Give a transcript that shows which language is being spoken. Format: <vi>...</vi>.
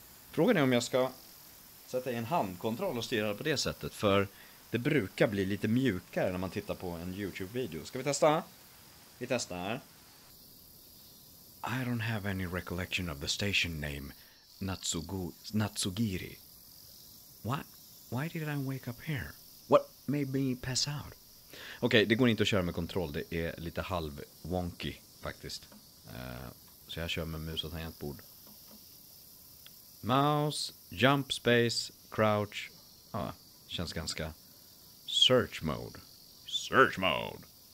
<sv>Frågan är om jag ska sätta i en handkontroll och styra på det sättet, för det brukar bli lite mjukare när man tittar på en YouTube-video. Ska vi testa? Vi testar.</sv> <en>I don't have any recollection of the station name, Natsugiri. What? Why did I wake up here? What made me pass out?</en> <sv>Okej, det går inte att köra med kontroll. Det är lite halv wonky faktiskt. Så jag kör med mus och tangentbord.</sv> <en>Mouse, jump space, crouch.</en> <sv>Ja, känns ganska.</sv> <en>Search mode. Search mode.</en>